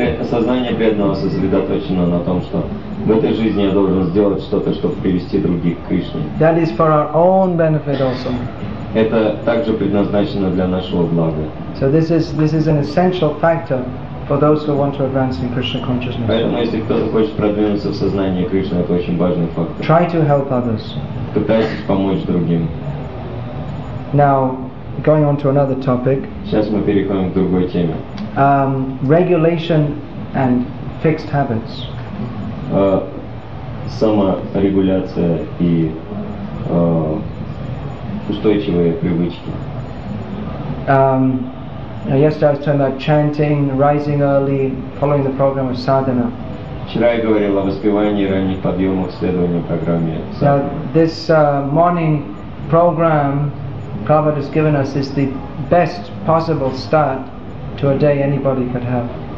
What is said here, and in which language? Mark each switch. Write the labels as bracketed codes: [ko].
[ru] Сознание преданного сосредоточено на том, что в этой жизни я должен сделать что-то, чтобы привести других к Кришне. [en] That is for our own benefit also. [ru] Это также предназначено для нашего блага. [en] So this is an essential factor for those who want to advance in Krishna consciousness. [ru] Поэтому, если кто-то хочет продвинуться в сознании Кришны, это очень важный фактор. [en] Try to help others. [ru] Пытайтесь помочь другим. [en] Now, going on to another topic. [ru] Сейчас мы переходим к другой теме. [en] Regulation and fixed habits. [ru] Саморегуляция и устойчивые привычки. [en] Yesterday I was talking about chanting, rising early, following the program of sadhana. [ru] Вчера я говорил о воспевании, ранних подъемах, следовании программе sadhana. [en] Now, this morning program Prabhupada has given us is the best possible start to a day anybody could have.